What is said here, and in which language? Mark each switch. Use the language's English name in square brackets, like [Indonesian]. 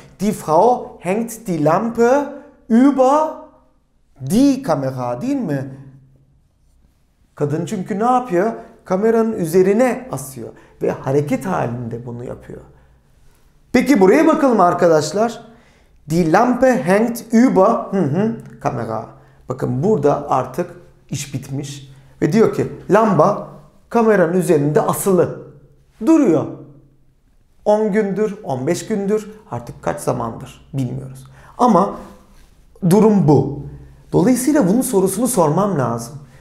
[German] Die Frau hängt die Lampe über die Kamera [Turkish] değil mi? Kadın çünkü ne yapıyor? Kameranın üzerine asıyor. Ve hareket halinde bunu yapıyor. Peki buraya bakalım arkadaşlar. [German] Die Lampe hängt über Kamera. [Turkish] Bakın burada artık iş bitmiş. Ve diyor ki lamba kameranın üzerinde asılı. Duruyor. 10 gündür, 15 gündür, artık kaç zamandır bilmiyoruz. Ama durum bu. Dolayısıyla bunun sorusunu sormam lazım.